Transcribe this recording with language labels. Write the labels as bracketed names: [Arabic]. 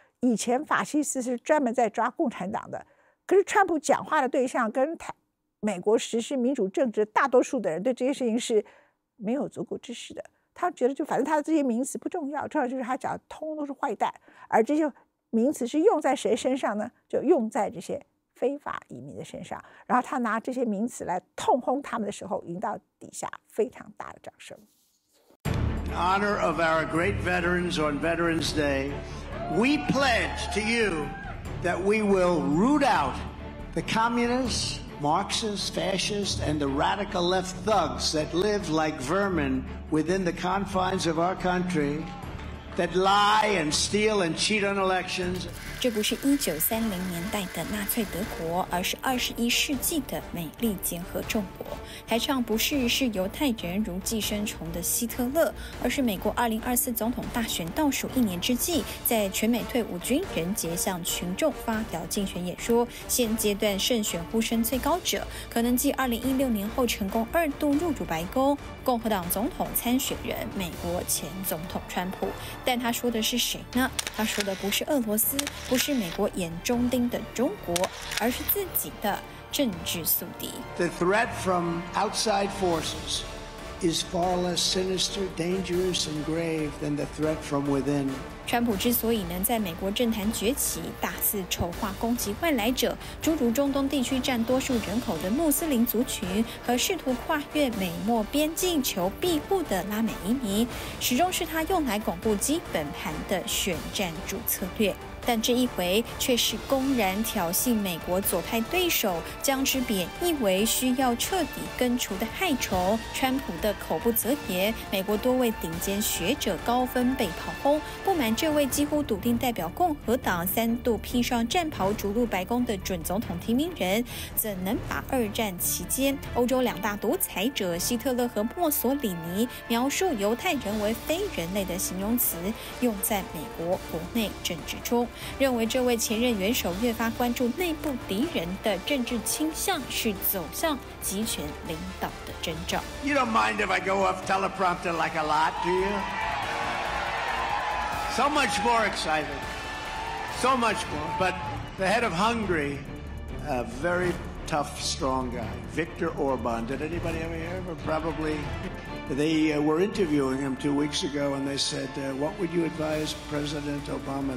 [Chinese] 以前法西斯是专门在抓共产党的，可是川普讲话的对象跟美国实施民主政治大多数的人对这些事情是没有足够知识的，他觉得就反正他的这些名词不重要，重要就是他讲的通都是坏蛋。而这些名词是用在谁身上呢？就用在这些非法移民的身上，然后他拿这些名词来痛轰他们的时候，引到底下非常大的掌声。 [English] In honor of our great veterans on Veterans Day, we pledge to you that we will root out the communists, Marxists, fascists, and the radical left thugs that live like vermin within the confines of our country. That lie and steal and cheat on elections. [Chinese] 这不是1930年代的纳粹德国，而是21世纪的美利坚合众国。台上不是是犹太人如寄生虫的希特勒，而是美国2024总统大选倒数一年之际，在全美退伍军人节向群众发表竞选演说，现阶段胜选呼声最高者，可能继2016年后成功二度入主白宫，共和党总统参选人，美国前总统川普。但他说的是谁呢？他说的不是俄罗斯，不是美国眼中钉的中国，而是自己的政治宿敌。 [English] The threat from outside forces is far less sinister, dangerous, and grave than the threat from within. [Chinese] 川普之所以能在美国政坛崛起，大肆丑化攻击外来者，诸如中东地区占多数人口的穆斯林族群和试图跨越美墨边境求庇护的拉美移民，始终是他用来巩固基本盘的选战主策略。但这一回却是公然挑衅美国左派对手，将之贬义为需要彻底根除的害虫。川普的口不择言，美国多位顶尖学者高分被炮轰，不满这位几乎笃定代表共和党三度披上战袍逐入白宫的准总统提名人，怎能把二战期间欧洲两大独裁者希特勒和墨索里尼描述犹太人为非人类的形容词用在美国国内政治中？认为这位前任元首越发关注内部敌人的政治倾向，是走向集权领导的征兆。 [English] You don't mind if I go off teleprompter like a lot, do you? So much more excited, so much more. But the head of Hungary, a very tough, strong guy, Viktor Orban. Did anybody ever hear of him? Probably. They were interviewing him 2 weeks ago, and they said, what would you advise President Obama?